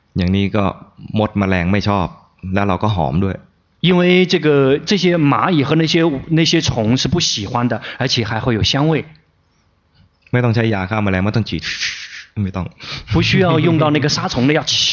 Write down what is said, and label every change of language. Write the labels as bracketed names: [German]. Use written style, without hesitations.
[Thai] อย่างนี้ก็มดแมลงไม่ชอบแล้วเราก็หอมด้วย [Chinese] 因为这些蚂蚁和那些虫是不喜欢的而且还会有香味 [Thai] ไม่ต้องใช้ยาฆ่าแมลงไม่ต้องฉีดไม่ต้อง [Chinese] 不需要用到那个杀虫的药